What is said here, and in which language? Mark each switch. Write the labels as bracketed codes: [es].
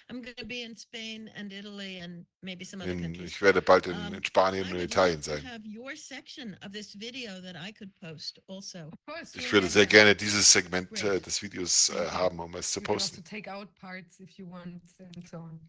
[en] I'm going to be in Spain and Italy and maybe some other countries. [de] Ich werde bald in Spanien und Italien sein. [en] I have your section of this video that I could post also. [de] Ich würde sehr gerne dieses Segment des Videos haben, um es zu posten. [en] You can also take out parts if you want and so on.